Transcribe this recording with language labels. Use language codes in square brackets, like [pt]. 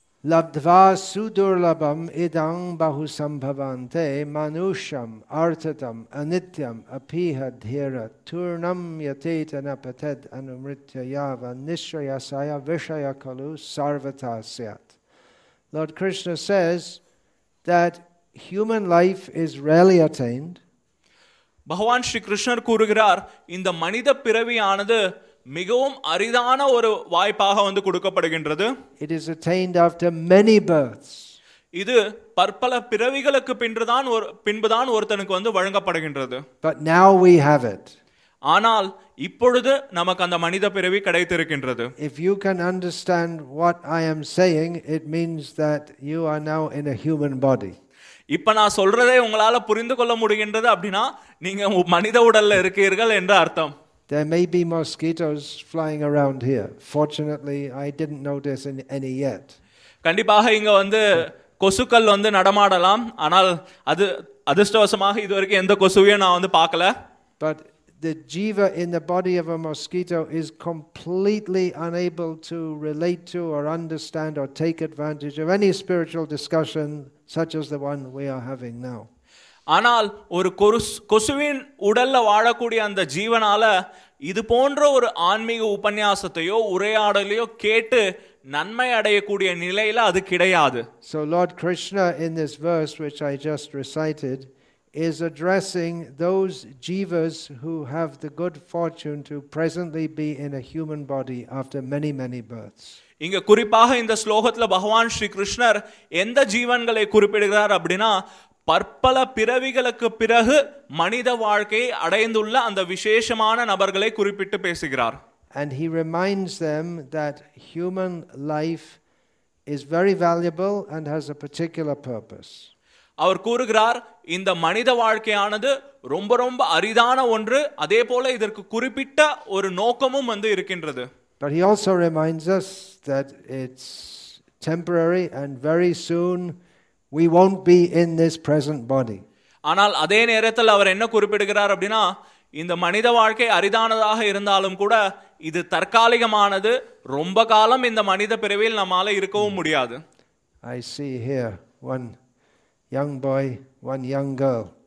[sa] லப்த்வா சுதுர்லபம் இதம் பஹு சம்பவந்தே மனுஷம் ஆர்த்ததம் அநித்யம் அபிஹ தீர தூர்ணம் யதேதன பதத் அனுமிருத்யாவ நிஸ்ரயசாய விஷய கலு சர்வதா ஸ்யாத். [en] Lord Krishna says that human life is rarely attained. [ta] பகவான் ஸ்ரீ கிருஷ்ணர் கூறுகிறார், இந்த மனித பிறவியானது மிகவும் அரிதான ஒரு வாய்ப்பாக வந்து கொடுக்கப்படுகின்றது. [en] It is attained after many births. [ta] இது பற்பல பிறவிகளுக்கு பின்புதான் ஒருத்தனுக்கு வந்து வழங்கப்படுகின்றது. [en] But now we have it. [ta] ஆனால் இப்பொழுது நமக்கு அந்த மனித பிறவி கிடைத்திருக்கின்றது. [en] If you can understand what I am saying, it means that you are now in a human body. [ta] இப்ப நான் சொல்றதை உங்களால புரிந்து கொள்ள முடிகின்றது அப்படின்னா நீங்க மனித உடல்ல இருக்கிறீர்கள் என்று அர்த்தம். [en] There may be mosquitoes flying around here. Fortunately, I didn't notice any yet. [ta] கண்டிப்பாக இங்க வந்து கொசுக்கள் வந்து நடமாடலாம். ஆனால் அது அதிர்ஷ்டவசமாக இதுவரைக்கும் எந்த கொசுவையும் நான் வந்து பார்க்கல. [en] But the jiva in the body of a mosquito is completely unable to relate to or understand or take advantage of any spiritual discussion such as the one we are having now. [ta] ஆனால் ஒரு கொசுவின் உடல்ல வாழக்கூடிய அந்த ஜீவனால இது போன்ற ஒரு ஆன்மீக உபன்யாசத்தையோ உரையாடலையோ கேட்டு நன்மை அடையக்கூடிய நிலையில அது கிடையாது. [en] So Lord Krishna in this verse which I just recited is addressing those jivas who have the good fortune to presently be in a human body after many many births. [ta] இங்க குறிப்பாக இந்த ஸ்லோகத்துல பகவான் ஸ்ரீ கிருஷ்ணர் எந்த ஜீவன்களை குறிப்பிடுகிறார் அப்படின்னா பற்பல பிறவிகளுக்கு பிறகு மனித வாழ்க்கையை அடைந்துள்ள அந்த விசேஷமான நபர்களை குறிப்பிட்டு பேசுகிறார். [en] And he reminds them that human life is very valuable and has a particular purpose. [ta] அவர் கூறுகிறார், இந்த மனித வாழ்க்கையானது ரொம்ப ரொம்ப அரிதான ஒன்று, அதே போல இதற்கு குறிப்பிட்ட ஒரு நோக்கமும் வந்து இருக்கின்றது. [en] But he also reminds us that it's temporary and very soon we won't be in this present body. [ta] ஆனால் அதே நேரத்தில் அவர் என்ன குறிப்பிடுகிறார் அப்படினா, இந்த மனித வாழ்க்கை அரிதானதாக இருந்தாலும் கூட இது தற்காலிகமானது, ரொம்ப காலம் இந்த மனித பிறவியில் நம்மால இருக்கவும் முடியாது. [en] I see here one young boy, one young girl.